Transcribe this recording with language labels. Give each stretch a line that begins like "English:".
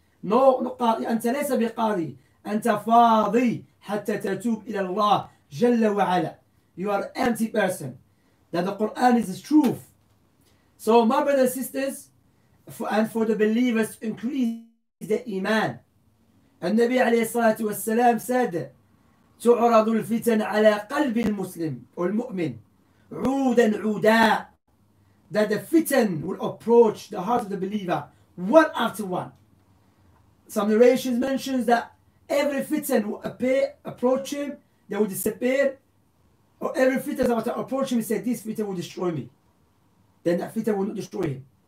English: No,
Arabic: أنت ليس بقاضي, أنت فاضي حتى تتوب إلى الله جل وعلا.
English: You are an empty person. That the Quran is the truth. So my brothers and sisters, for the believers to increase the iman. And Nabi alayhi salatu wasalam said,
Arabic: تعرض الفتن على قلب المسلم والمؤمن عودا عودا.
English: That the fitan will approach the heart of the believer one after one. Some narrations mentions that every fitan will approach him, they will disappear. Or every fitan is about to approach him, he said, this fitan will destroy me. Then that fitan will not destroy him.